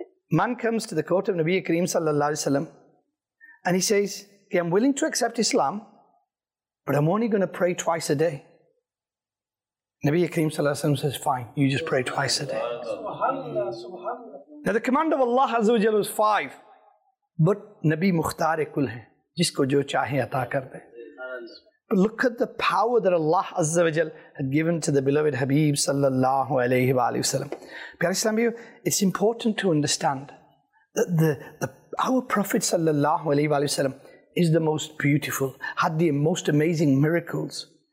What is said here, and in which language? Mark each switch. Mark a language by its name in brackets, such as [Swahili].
[English] Man comes to the court of Nabi Kareem sallallahu alaihi wasallam, and he says, okay, I'm willing to accept Islam, but I'm only going to pray twice a day. Nabi Kareem sallallahu alaihi wasallam says, fine, you just pray twice a day. Now the command of Allah Azza wa Jalla is 5. [Urdu] But نبی مختار کل ہے، جس کو جو چاہے عطا کر دے. [English] But look at the power that Allah Azza wa Jal had given to the beloved Habib sallallahu alayhi wa sallam. It's important to understand that our Prophet sallallahu alayhi wa sallam is the most beautiful, had the most amazing miracles.